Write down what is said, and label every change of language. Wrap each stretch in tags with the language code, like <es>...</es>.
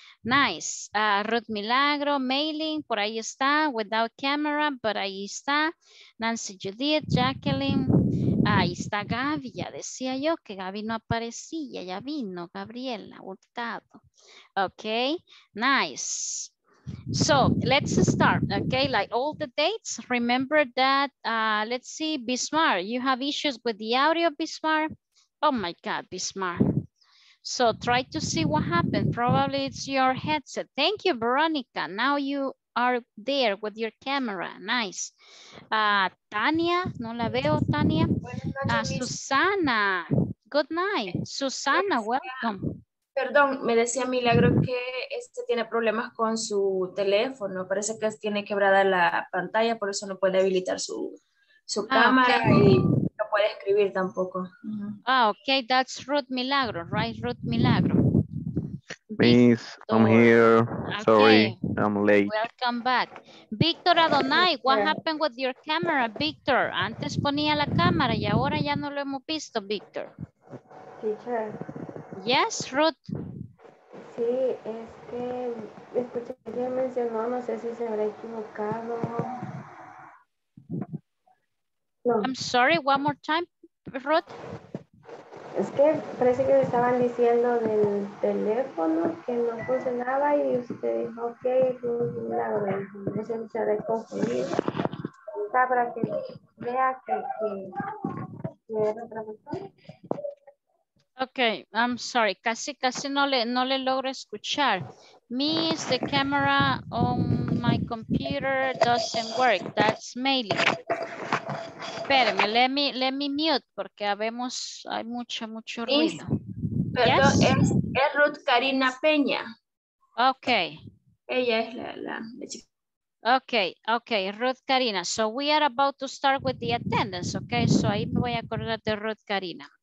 <es>Nice, Ruth Milagro, Mailing, por ahí está,</es> <en>without camera,</en> <es>but ahí está. Nancy Judith, Jacqueline. Ahí está Gaby, ya decía yo que Gaby no aparecía, ya vino Gabriela, Hurtado.</es> <en>Okay, nice. So let's start, okay, like all the dates, remember that, let's see, Bismarck, you have issues with the audio, Bismarck? Oh my God, Bismarck. So try to see what happened, probably it's your headset. Thank you, Veronica, now you are there with your camera, nice.</en> <es>Tania, no la veo, Tania. Susana,</es> <en>good night. Susana, welcome.</en> <es>Perdón, me decía Milagro que este tiene problemas con su teléfono, parece que tiene quebrada la pantalla, por eso no puede habilitar su cámara, okay. Y no puede escribir tampoco.</es> <en>Ah, okay, that's Ruth Milagro, right, Ruth Milagro. Please, I'm here. Okay. Sorry, I'm late. Welcome back. Victor Adonai, what happened with your camera, Victor?</en> <es>Antes ponía la cámara y ahora ya no lo hemos visto, Victor.</es> <en>Teacher. Yes, Ruth.</en> <es>Sí, es que escuché que ella mencionó, no sé si se habrá equivocado.</es> <en>No. I'm sorry, one more time, Ruth.</en> <es>Es que parece que me estaban diciendo del teléfono que no funcionaba y usted dijo, ok, Milagro, no sé si se ha confundido. Está para que vea que era otra persona. Ok,</es> <en>I'm sorry,</en> <es>casi no le logro escuchar.</es> <en>Miss, the camera on my computer doesn't work. That's mailing.</en> <es>Espérenme,</es> <en>let me mute</en> <es>porque habemos, hay mucho ruido. Perdón, es Ruth Karina Peña.</es> <en>Ok.</en> <es>Ella es la chica.</es> <en>Ok, ok, Ruth Karina. So we are about to start with the attendance, ok?</en> <es>So ahí me voy a acordar de Ruth Karina.</es>